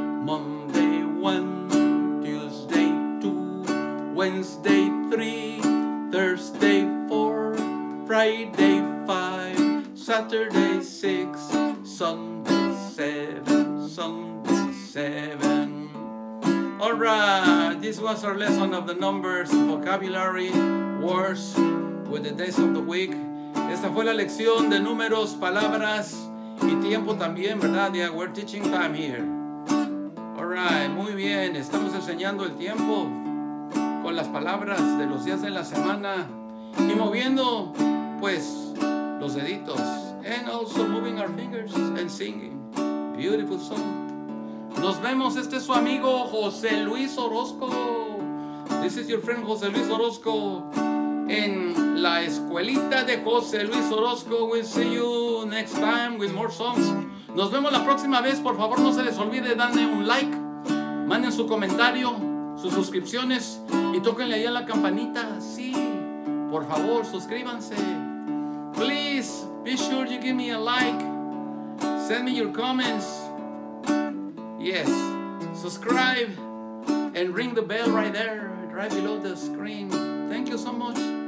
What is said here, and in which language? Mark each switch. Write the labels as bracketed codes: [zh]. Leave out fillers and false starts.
[en] Monday 1, Tuesday 2, Wednesday 3, Thursday 4, Friday 5, Saturday 6, Sunday 7, Sunday 7. All right, this was our lesson of the numbers, vocabulary, words, with the days of the week. [es] Esta fue la lección de números, palabras y tiempo también, ¿verdad? [en] Yeah, we're teaching time here. All right, [es] muy bien, estamos enseñando el tiempo con las palabras de los días de la semana y moviendo, pues, los deditos. [en] And also moving our fingers and singing. Beautiful song. [es] Nos vemos. Este es su amigo [en] José Luis Orozco. This is your friend José Luis Orozco [es] en la escuelita de [en] José Luis Orozco. We'll see you next time with more songs. [es] Nos vemos la próxima vez. Por favor, no se les olvide darle un like, manden su comentario, sus suscripciones y tóquenle ahí a la campanita. Sí, por favor, suscríbanse. [en] Please, be sure you give me a like. Send me your comments. Yes, subscribe and ring the bell right there, right below the screen. Thank you so much.